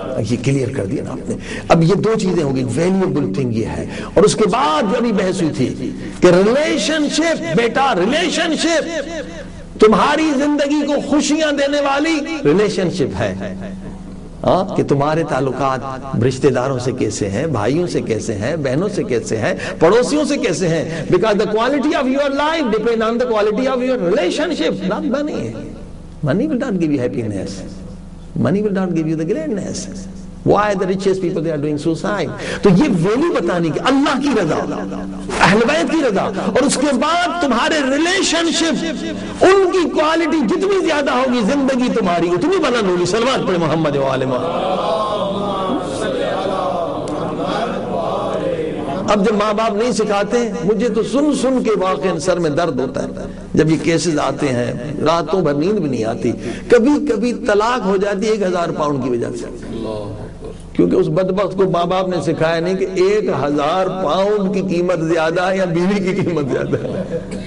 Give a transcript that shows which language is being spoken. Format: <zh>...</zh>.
<ur>یہ کلیئر کر دیا نا آپ نے. اب یہ دو چیزیں ہوں گی,</ur> <en>valuable thing</en> <ur>یہ ہے, اور اس کے بعد جو ابھی بحث ہوئی تھی کہ ریلیشن شپ, بیٹا ریلیشن شپ تمہاری زندگی کو خوشیاں دینے والی ریلیشن شپ ہے, کہ تمہارے تعلقات رشتے داروں سے کیسے ہیں, بھائیوں سے کیسے ہیں, بہنوں سے کیسے ہیں, پڑوسیوں سے کیسے ہیں.</ur> <en>Because the quality of your life depend on the quality of your relationship. Not money, money will not give you happiness. Money will not give you the greatness. Why the richest people, they are doing suicide.</en> <ur>تو یہ value بتانے کی, اللہ کی رضا, اہل بیت کی رضا, اور اس کے بعد تمہارے ریلیشن شپ, ان کی کوالٹی جتنی زیادہ ہوگی زندگی تمہاری اتنی بلند ہوگی. سلوات پڑھے محمد و آل محمد. اب جب ماں باپ نہیں سکھاتے, مجھے تو سن سن کے واقعی سر میں درد ہوتا ہے جب یہ کیسز آتے ہیں, راتوں بھر نیند بھی نہیں آتی. کبھی کبھی طلاق ہو جاتی ہے 1,000 pounds کی وجہ سے, کیونکہ اس بدبخت کو ماں باپ نے سکھایا نہیں کہ 1,000 pounds کی قیمت زیادہ ہے یا بیوی کی قیمت زیادہ ہے.</ur>